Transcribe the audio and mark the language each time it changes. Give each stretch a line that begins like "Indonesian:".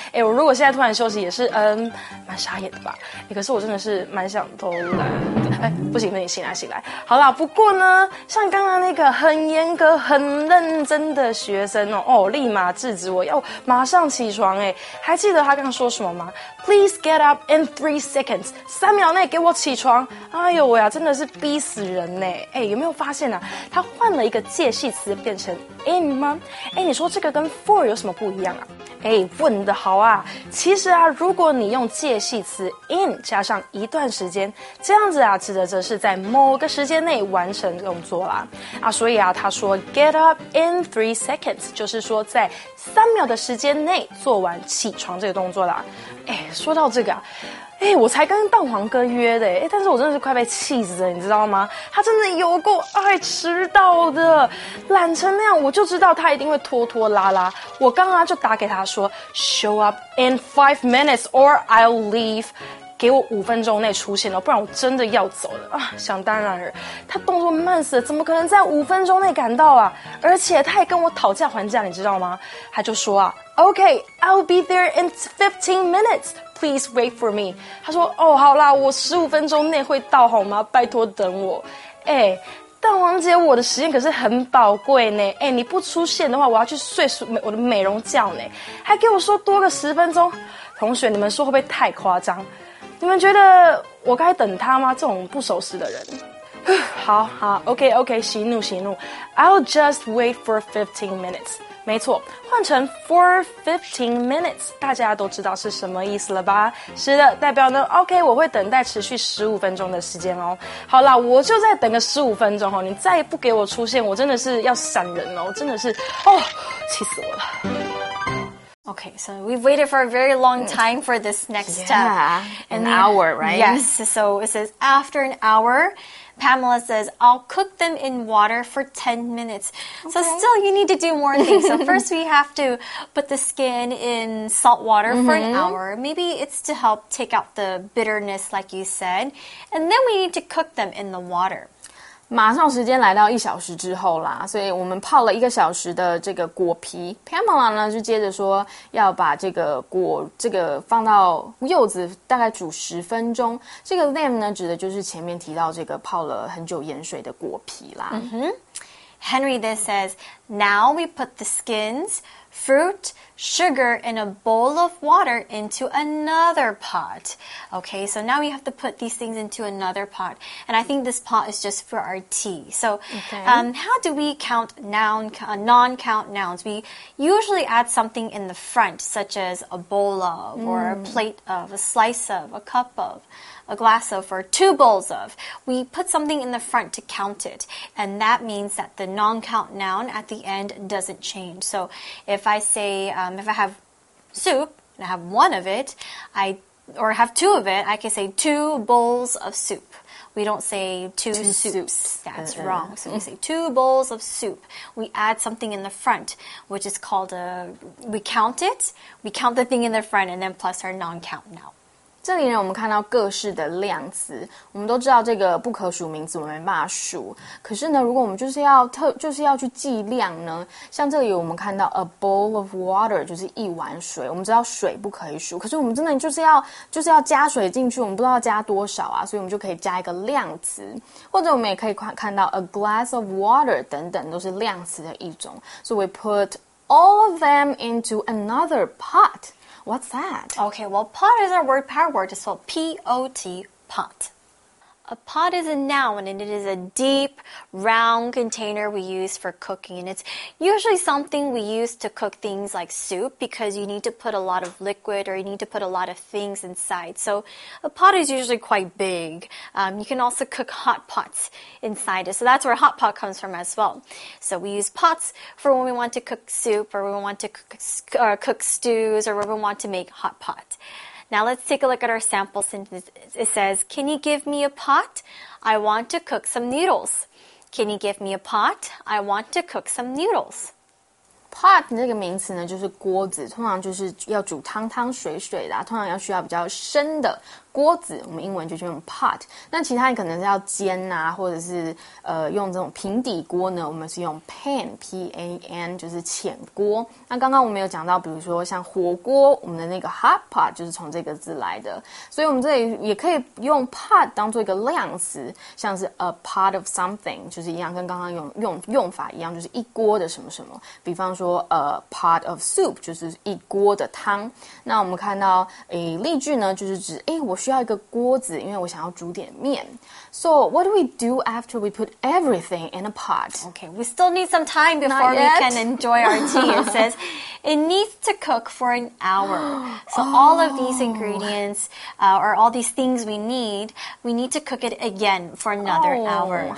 Chinese: 诶，我如果现在突然休息也是蛮傻眼的吧。诶，可是我真的是蛮想偷懒的。诶，不行，你醒来醒来。好啦，不过呢像刚刚那个很严格很认真的学生哦，立马制止我要马上起床。诶，还记得他刚刚说什么吗？
English: Please get up in 3 seconds,
Chinese: 三秒内给我起床。哎呦喂啊，真的是逼死人呢。诶，有没有发现啊他换了一个介系词变成 in 吗？诶，你说这个跟 for 有什么不一样啊？诶，问得好啊。其实啊如果你用介系词 in 加上一段时间，这样子啊指的则是在某个时间内完成动作啦。啊，所以啊他说
English: get up in 3 seconds
Chinese: 就是说在三秒的时间内做完起床这个动作啦。诶，说到这个啊，诶，我才跟蛋黄哥约的，诶，但是我真的是快被气死了，你知道吗？他真的有够爱迟到的，懒成那样，我就知道他一定会拖拖拉拉。我刚刚就打给他说
English: Show up in 5 minutes or I'll leave,
Chinese: 给我5分钟内出现了，不然我真的要走了啊！想当然了，他动作慢死了，怎么可能在5分钟内赶到啊？而且他还跟我讨价还价，你知道吗？
English: 他就说啊 OK, I'll be there in 15 minutes,Please wait for me.
Chinese: 他说哦好啦，我15分钟内会到好吗，拜托等我。诶，蛋黄姐，我的时间可是很宝贵呢。诶，你不出现的话我要去睡我的美容觉呢，还给我说多个10分钟。同学你们说会不会太夸张？你们觉得我该等他吗，这种不守时的人。好好
English: OK
Chinese: 息怒息怒，
English: I'll just wait for 15 minutes。
Chinese: 没错，换成
English: for 15 minutes,
Chinese: 大家都知道是什么意思了吧？是的，代表呢 OK, 我会等待持续15分钟的时间哦。好啦，我就再等个15分钟哦，你再不给我出现我真的是要闪人哦，真的是哦，气死我了。
English: Okay, so we've waited for a very long time for this next step. An hour, right? Yes, so it says after an hour, Pamela says, I'll cook them in water for 10 minutes. Okay. So still, you need to do more things. So first, we have to put the skin in salt water for an hour. Maybe it's to help take out the bitterness, like you said. And then we need to cook them in the water.
Chinese: 马上时间来到1小时之后啦，所以我们泡了1个小时的这个果皮。 Pamela 呢就接着说要把这个果这个放到柚子大概煮10分钟。这个 them 呢指的就是前面提到这个泡了很久盐水的果皮啦。
English: Henry then says, Now we put the skins, fruit, sugar, and a bowl of water into another pot. Okay, so now we have to put these things into another pot. And I think this pot is just for our tea. So, how do we count non-count nouns? We usually add something in the front, such as a bowl of, or a plate of, a slice of, a cup of. A glass of, or 2 bowls of, we put something in the front to count it. And that means that the non-count noun at the end doesn't change. So if I say, if I have soup and I have one of it, I, or have two of it, I can say 2 bowls of soup. We don't say two soups. That's wrong. So we say two bowls of soup. We add something in the front, which is called a... We count it. We count the thing in the front and then plus our non-count noun.
Chinese: 这里呢，我们看到各式的量词。我们都知道这个不可数名词我们没办法数。可是呢，如果我们就是要去计量呢，像这里我们看到
English: a bowl of water
Chinese: 就是一碗水。我们知道水不可以数，可是我们真的就是要加水进去，我们不知道加多少啊，所以我们就可以加一个量词。或者我们也可以看到
English: a glass of water
Chinese: 等等，都是量词的一种。
English: So we put all of them into another pot. What's that? Okay, well, pot is our word, power word, it's called P-O-T, pot. A pot is a noun, and it is a deep, round container we use for cooking, and it's usually something we use to cook things like soup, because you need to put a lot of liquid, or you need to put a lot of things inside. So a pot is usually quite big. You can also cook hot pots inside it, so that's where hot pot comes from as well. So we use pots for when we want to cook soup, or when we want to cook stews, or when we want to make hot pot. Now let's take a look at our sample sentence. It says, can you give me a pot? I want to cook some noodles. Can you give me a pot? I want to cook some noodles.
Chinese: Pot 这个名词呢就是锅子，通常就是要煮汤汤水水的、啊、通常要需要比较深的锅子，我们英文就是用 pot。那其他你可能是要煎啊，或者是用这种平底锅呢，我们是用 pan, P-A-N, 就是浅锅。那刚刚我们有讲到，比如说像火锅，我们的那个 hot pot 就是从这个字来的，所以我们这里也可以用 pot 当做一个量词，像是
English: a pot of something,
Chinese: 就是一样跟刚刚 用法一样，就是一锅的什么什么。比方说
English: a pot of soup
Chinese: 就是一锅的汤。那我们看到例句呢，就是指我需要一个锅子，因为我想要煮点面。
English: So what do we do after we put everything in a pot? Okay, we still need some time before we can enjoy our tea. It says, it needs to cook for an hour. So all of these ingredients, or all these things we need to cook it again for another hour.